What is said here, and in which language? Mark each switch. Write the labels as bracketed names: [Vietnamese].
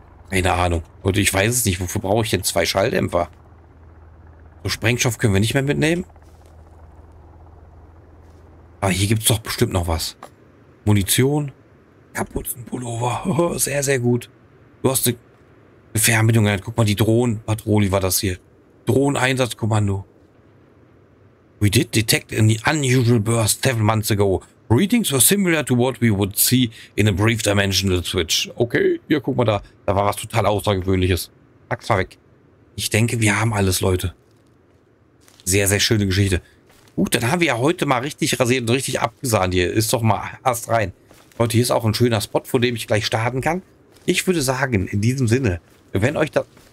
[German] Keine Ahnung. Leute, ich weiß es nicht. Wofür brauche ich denn 2 Schalldämpfer? So, Sprengstoff können wir nicht mehr mitnehmen. Aber hier gibt es doch bestimmt noch was. Munition. Kapuzenpullover. Oh, sehr, sehr gut. Du hast eine Fernbedienung. Guck mal, die Drohnenpatrouille war das hier. Drohneneinsatzkommando. [English] We did detect an unusual burst 7 months ago. Readings were similar to what we would see in a brief dimensional switch. [German] Okay, hier, guck mal da. Da war was total Außergewöhnliches. Pack's mal weg. Ich denke, wir haben alles, Leute. Sehr, sehr schöne Geschichte. Gut, dann haben wir ja heute mal richtig rasiert und richtig abgesahnt hier. Ist doch mal erst rein. Leute, hier ist auch ein schöner Spot, von dem ich gleich starten kann. Ich würde sagen, in diesem Sinne, wenn euch das...